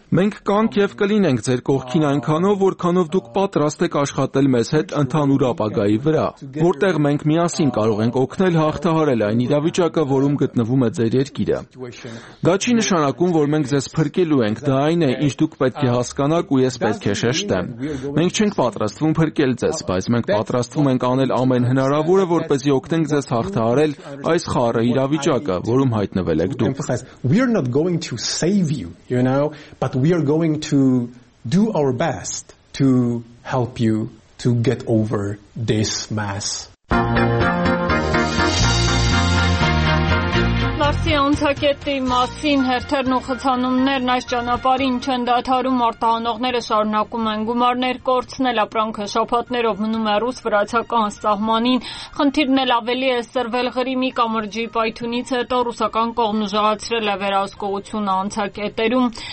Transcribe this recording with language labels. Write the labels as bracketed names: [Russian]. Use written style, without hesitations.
[Armenian] Մենք կանք եւ կլինենք ձեր կողքին այնքանով, որքանով դուք պատրաստ եք աշխատել մեզ հետ ընդհանուր ապագայի վրա, որտեղ մենք միասին կարող ենք օգնել հաղթահարել այն իրավիճակը, որում գտնվում է ձեր երկիրը։ Դա չի նշանակում, որ մենք ձեզ փրկելու ենք, դա այն է, ինչ դուք պետք է հասկանաք ու ես պետք է շեշտեմ։ Մենք չենք պատրաստվում փրկել ձեզ, բայց մենք պատրաստվում ենք անել ամեն հնարավորը, որպեսզի օգնենք ձեզ հաղթահարել այս խառը իրավիճակը, որում հայտնվել եք դուք։ [English] But we are going to do our best to help you to get over this mess. [Armenian] Ռուսի անցակետի մասին հերթերն ու խցանումներն այս ճանապարհին չեն դադարում, արտահանողները շարունակում են գումարներ կորցնել, ապրանքը շոփատներով մնում է ռուս-վրացական սահմանին, խնդիրն էլ ավելի է սրվել Ղրիմի կամրջի պայթունից հետո, ռուսական կողմն ուժեղացրել է վերահսկողությունը անցակետերում։